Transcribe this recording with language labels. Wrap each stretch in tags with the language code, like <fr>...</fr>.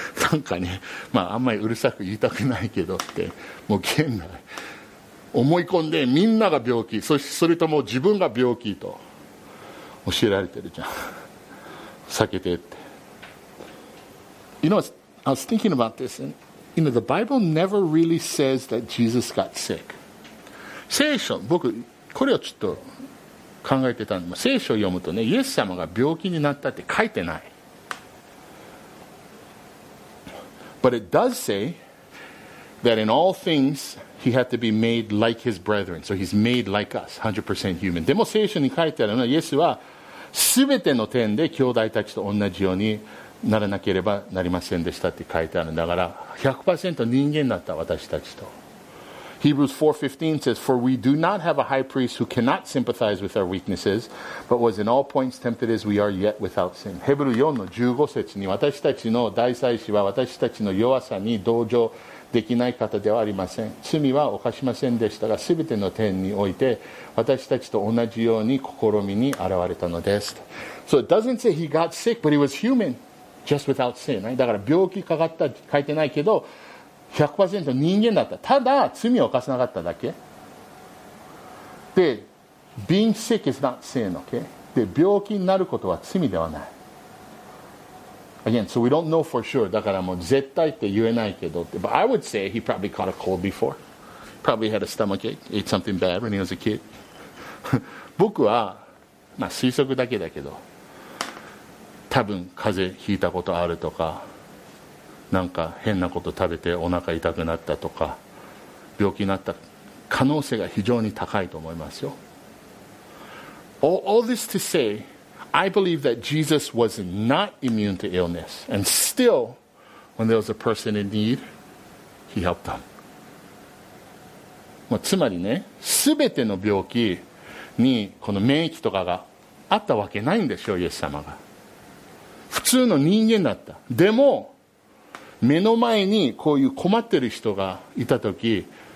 <ja>なんかね、まあ、あんまりうるさく言いたくないけどって、もう現代思い込んでみんなが病気、そしてそれとも自分が病気と教えられてるじゃん。避けてって。</ja> <en>You know, I was thinking about this, and you know, the Bible never really says that Jesus got sick.</en> <ja>聖書、僕これをちょっと。考えてたんで、聖書を読むとね、イエス様が病気になったって書いてない。</ja> <en>But it does say that in all things he had to be made like his brethren. So he's made like us, 100% human.</en> <ja>でも聖書に書いてあるのは、イエスは全ての点で兄弟たちと同じようにならなければなりませんでしたって書いてあるんだから、100% 人間だった私たちと。</ja> <en>Hebrews 4:15 says, For we do not have a high priest who cannot sympathize with our weaknesses, but was in all points tempted as we are yet without sin.</en> <ja>ヘブル 4:15 節に、私たちの大祭司は私たちの弱さに同情できない方ではありません。罪は犯しませんでしたが、すべての点において私たちと同じように試みに現れたのです。</ja> <en>So it doesn't say he got sick, but he was human, just without sin.</en> <ja>だから病気かかった書いてないけど、100% 人間だった。ただ罪を犯さなかっただけで、</ja> <en>being sick is not sin、</en> <ja>okay? で、病気になることは罪ではない。</ja> <en>Again, so we don't know for sure.</en> <ja>だからもう絶対って言えないけど、</ja> <en>But I would say he probably caught a cold before. Probably had a stomach ache, ate something bad when he was a kid.</en> <ja>僕は、まあ、推測だけだけど、多分風邪ひいたことあるとか、なんか変なこと食べてお腹痛くなったとか、病気になった可能性が非常に高いと思いますよ。</ja> <en>All this to say, I believe that Jesus was not immune to illness. And still, when there was a person in need, he helped them.</en> <ja>まあ、つまりね、すべての病気にこの免疫とかがあったわけないんでしょう、イエス様が。普通の人間だった。でも、目の前にこういう困ってる人がいたとき、</ja>